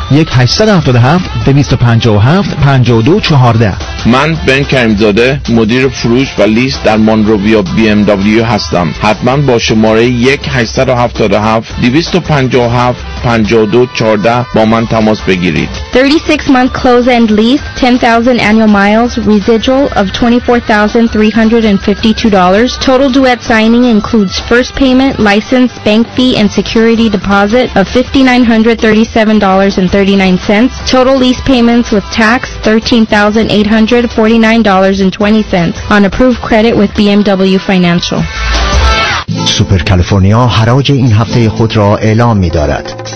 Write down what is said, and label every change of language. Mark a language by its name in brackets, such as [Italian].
[English] 1-877-257-5214. [Persian] من بن کریم‌زاده، مدیر فروش و لیز در مونروویا BMW هستم. حتما با شماره 1-877-257-5214 با من تماس بگیرید. [English] 36 month close and lease, 10,000 annual miles, residual of $24,352. Total duet signing includes first payment, license, bank fee and security deposit of $5,937.39. Total lease payments with tax $13,849.20 on approved credit with BMW Financial. [Persian] سوپر کالیفرنیا حراج این هفته خود را اعلام می دارد.